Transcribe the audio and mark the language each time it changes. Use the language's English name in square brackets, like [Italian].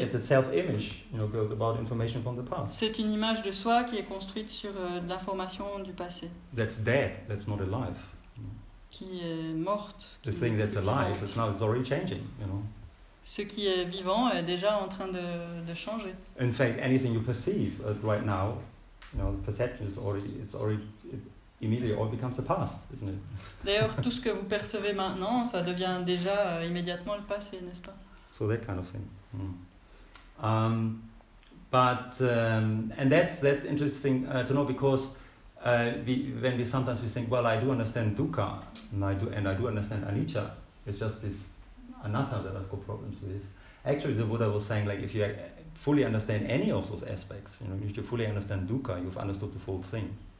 [English] It's a self-image, you know, built about information from the past. [French] C'est une image de soi qui est construite sur de l'information du passé. [English] That's dead. That's not alive. [French] Qui est morte. [English] The thing that's alive, it's already changing, you know. [French] Ce qui est vivant est déjà en train de changer. [English] In fact, anything you perceive right now, you know, the perception is already, it's already, it immediately all becomes the past, isn't it? [French] D'ailleurs, tout ce que vous percevez maintenant, ça devient déjà immédiatement le passé, n'est-ce pas? [English] So that kind of thing. Mm. And that's interesting to know because. When we sometimes we think, well, I do understand dukkha, and I do understand anicca. It's just this anatta that I've got problems with. Actually, the Buddha was saying, like, if you fully understand any of those aspects, you know, if you fully understand dukkha, you've understood the full thing.